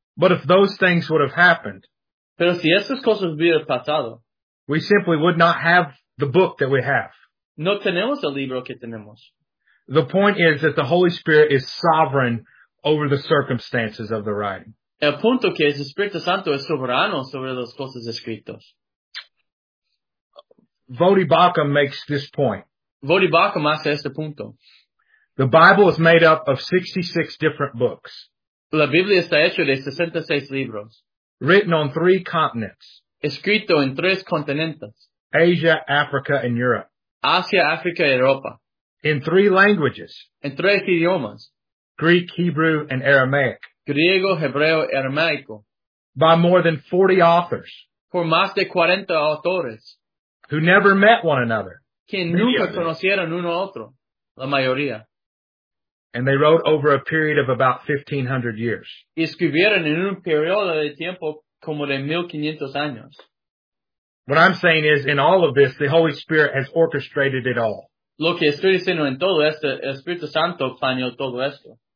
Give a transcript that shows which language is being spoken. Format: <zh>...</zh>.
<en>But if those things would have happened,</en> <es>pero si esas cosas hubieran pasado,</es> <en>we simply would not have the book that we have.</en> <es>No tenemos el libro que tenemos.</es> <en>The point is that the Holy Spirit is sovereign over the circumstances of the writing.</en> <es>El punto que es el Espíritu Santo es soberano sobre las cosas escritas.</es> <en>Vodibacum makes this point.</en> <es>Vodibacum hace este punto.</es> <en>The Bible is made up of 66 different books.</en> <es>La Biblia está hecha de 66 libros.</es> <en>Written on three continents.</en> <es>Escrito en tres continentes.</es> <en>Asia, Africa, and Europe.</en> <es>Asia, Africa, Europa.</es> <en>In three languages.</en> <es>En tres idiomas.</es> <en>Greek, Hebrew, and Aramaic.</en> <es>Griego, Hebreo, Aramaico.</es> <en>By more than 40 authors.</en> <es>Por más de 40 autores.</es> <en>Who never met one another.</en> <es>Que nunca conocieron uno otro. La mayoría.</es> <en>And they wrote over a period of about 1,500 years.</en> <es>Y escribieron en un periodo de tiempo como de 1,500 años.</es> <en>What I'm saying is, in all of this, the Holy Spirit has orchestrated it all.</en> <es>Lo que estoy diciendo en todo esto, el Espíritu Santo planeó todo esto.</es>